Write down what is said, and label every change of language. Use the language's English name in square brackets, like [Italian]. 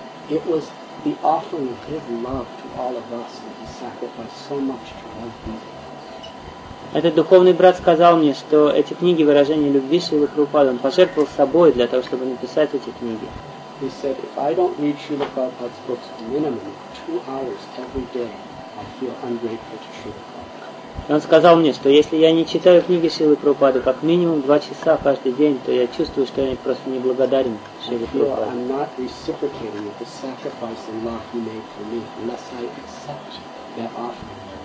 [English] It was the offering of his love to all of us that he sacrificed so much to all of us. [Russian] Этот духовный брат сказал мне, что эти книги выражение любви Шрилы Прабхупады. Он пожертвовал собой для того, чтобы написать эти книги. [English] He said, if I don't read Srila Prabhupada's books minimum 2 hours every day, I feel ungrateful to Srila Prabhupada. [Russian] Он сказал мне, что если я не читаю книги Шрилы Прабхупады как минимум 2 часа каждый день, то я чувствую, что я просто неблагодарен. [English] I'm not reciprocating the sacrifice and love he made for me unless I accept that offering.